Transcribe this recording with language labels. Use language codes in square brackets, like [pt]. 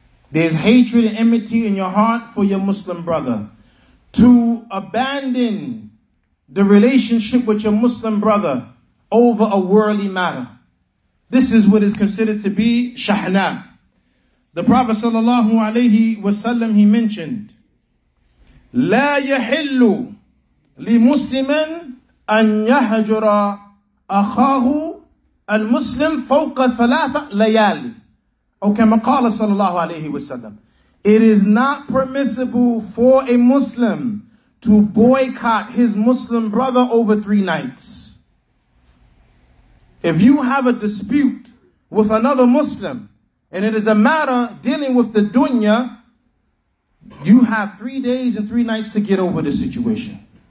[en] There's hatred and enmity in your heart for your Muslim brother. To abandon the relationship with your Muslim brother over a worldly matter. This is what is considered to be Shahnā. The Prophet sallallahu alayhi wasallam, he mentioned, [ar] لا يحل لمسلم أن يهجر أخاه المسلم فوق ثلاثة ليالي. Okay, Maqala sallallahu alayhi wasallam. [en] It is not permissible for a Muslim to boycott his Muslim brother over 3 nights. If you have a dispute with another Muslim and it is a matter dealing with the dunya, you have 3 days and 3 nights to get over the situation.